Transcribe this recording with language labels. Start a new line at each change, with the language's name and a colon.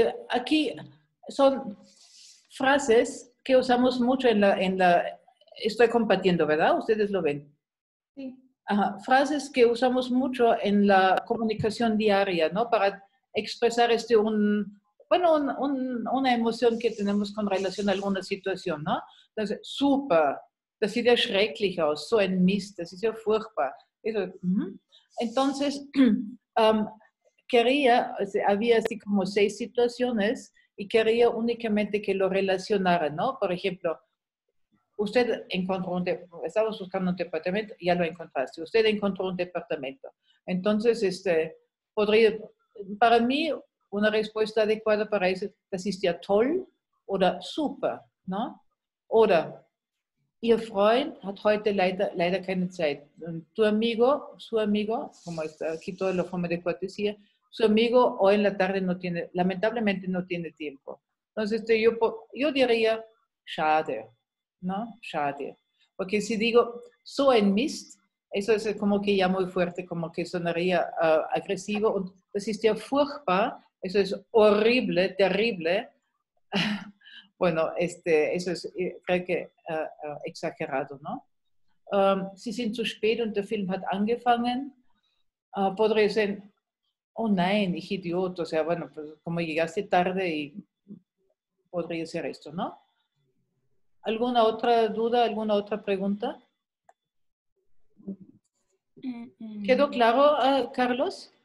Spanish: Aquí son frases que usamos mucho estoy compartiendo, ¿verdad? Ustedes lo ven. Sí. Ajá, frases que usamos mucho en la comunicación diaria, ¿no? Para expresar una emoción que tenemos con relación a alguna situación, ¿no?
German: Entonces, super, das sieht ja schrecklich aus, so ein Mist, das ist ja furchtbar.
Spanish: Entonces, quería, o sea, había así como seis situaciones y quería únicamente que lo relacionara, ¿no? Por ejemplo, usted encontró un departamento, estamos buscando un departamento, ya lo encontraste, usted encontró un departamento. Entonces, podría, para mí, una respuesta adecuada para eso es asistir a toll o super, ¿no?
German: O, ihr Freund hat heute leider keine Zeit.
Spanish: Tu amigo, su amigo, como está aquí toda la forma de cortesía, su amigo hoy en la tarde no tiene, lamentablemente no tiene tiempo. Entonces, yo diría, schade, ¿no? Schade. Porque si digo,
German: so ein Mist,
Spanish: eso es como que ya muy fuerte, como que sonaría agresivo.
German: Das ist ja furchtbar,
Spanish: eso es horrible, terrible. Bueno, eso es, creo que exagerado, ¿no?
German: Sie sind zu spät und der Film hat angefangen.
Spanish: Podría ser,
German: oh nein, ich idiot.
Spanish: O sea, bueno, pues, como llegaste tarde y podría ser esto, ¿no? ¿Alguna otra duda, alguna otra pregunta? ¿Quedó claro, Carlos?